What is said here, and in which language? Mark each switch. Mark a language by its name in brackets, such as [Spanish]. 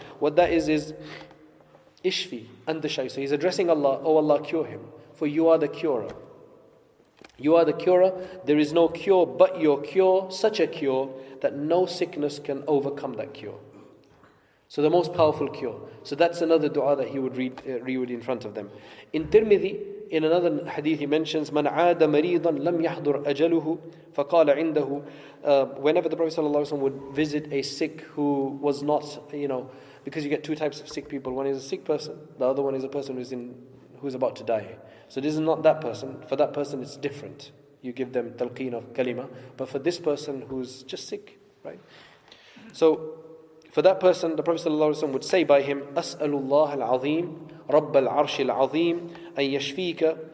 [English] What that is Ishfi and the Shay. So he's addressing Allah, O Allah, cure him, for you are the curer. You are the curer. There is no cure but your cure, such a cure that no sickness can overcome that cure. So the most powerful cure. So that's another dua that he would read in front of them. In Tirmidhi, in another hadith he mentions, [Arabic] مَنْ عَادَ مَرِيضًا لَمْ يَحْضُرْ أَجَلُهُ فَقَالَ عِنْدَهُ. [English] Whenever the Prophet ﷺ would visit a sick who was not, you know, because you get two types of sick people. One is a sick person, the other one is a person who's about to die. So this is not that person. For that person it's different. You give them talqeen of kalima. But for this person who's just sick, right? So for that person, the Prophet ﷺ would say by him, [Arabic] أَسْأَلُ اللَّهَ الْعَظِيمُ رَبَّ الْعَرْشِ الْعَظِيمُ أَنْ يَشْفِيكَ.